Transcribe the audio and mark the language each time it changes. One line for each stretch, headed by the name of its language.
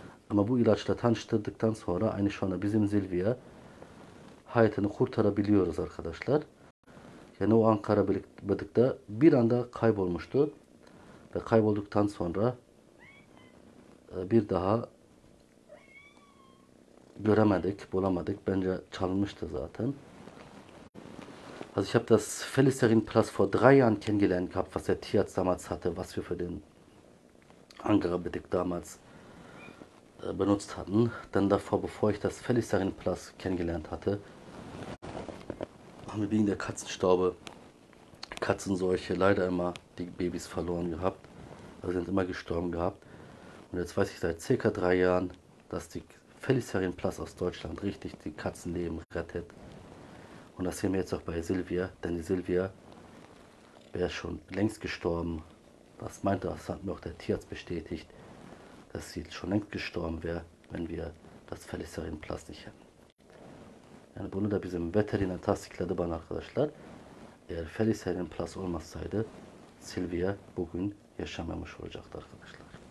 Turkish: Ama bu ilaçla tanıştırdıktan sonra aynı şu anda bizim Zilvia hayatını kurtarabiliyoruz arkadaşlar. Yani o Ankara Bıdık'ta bir anda kaybolmuştu. Ve kaybolduktan sonra bir daha göremedik, bulamadık. Bence çalmıştı zaten.
German: Also ich habe das Feliserin Plus vor 3 Jahren kennengelernt gehabt, was der Tierarzt damals hatte, was wir für den Ankara Bıdık damals benutzt hatten. Denn davor, bevor ich das Feliserin Plus kennengelernt hatte, haben wir wegen der Katzenstaube, Katzenseuche leider immer die Babys verloren gehabt. Also sind immer gestorben gehabt. Und jetzt weiß ich seit circa 3 Jahren, dass die Feliserin Plus aus Deutschland richtig die Katzenleben rettet. Und das sehen wir jetzt auch bei Silvia, denn die Silvia wäre schon längst gestorben. Das meinte, das hat mir auch der Tierarzt bestätigt, dass sie schon längst gestorben wäre, wenn wir das Feliserin Plus nicht hätten.
Turkish: Yani bunu da bizim veteriner tasdikledi bana arkadaşlar. Eğer Feliserin Plus olmasaydı, Silvia bugün yaşamamış olacaktı arkadaşlar.